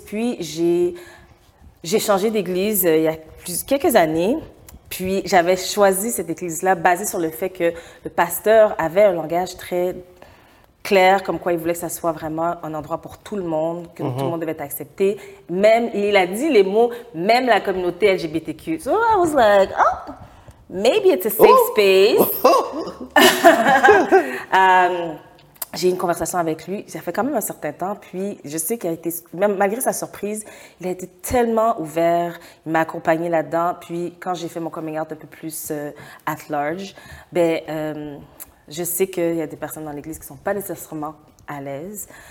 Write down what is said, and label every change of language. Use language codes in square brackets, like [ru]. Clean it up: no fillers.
[fr] Puis j'ai changé d'église il y a quelques années. Puis j'avais choisi cette église-là basée sur le fait que le pasteur avait un langage très clair, comme quoi il voulait que ça soit vraiment un endroit pour tout le monde, que mm-hmm. tout le monde devait être accepté. Même, il a dit les mots, même la communauté LGBTQ. [en] So I was like, oh, maybe it's a safe space. [fr] J'ai eu une conversation avec lui, ça fait quand même un certain temps, puis je sais qu'il a été, même malgré sa surprise, il a été tellement ouvert, il m'a accompagnée là-dedans, puis quand j'ai fait mon coming out un peu plus [en] at large, [fr] ben, je sais qu'il y a des personnes dans l'église qui ne sont pas nécessairement à l'aise.